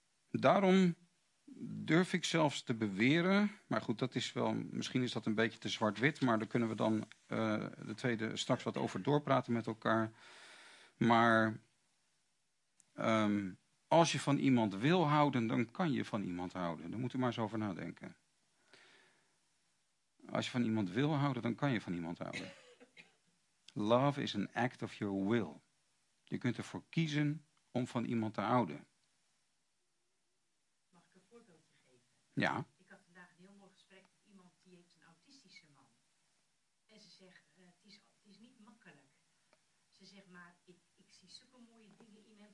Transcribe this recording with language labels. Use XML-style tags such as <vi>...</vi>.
<nl>Daarom durf ik zelfs te beweren, maar goed, dat is wel, misschien is dat een beetje te zwart-wit, maar daar kunnen we dan de tweede straks wat over doorpraten met elkaar. Maar als je van iemand wil houden, dan kan je van iemand houden. Daar moet u maar eens over nadenken. Als je van iemand wil houden, dan kan je van iemand houden.</nl> <en>Love is an act of your will.</en> <nl>Je kunt ervoor kiezen om van iemand te houden. Mag ik een voorbeeldje geven? Ja. Ik had vandaag een heel mooi gesprek met iemand die heeft een autistische man. En ze zegt, het is niet makkelijk. Ze zegt, maar ik zie super mooie dingen in hem.</nl>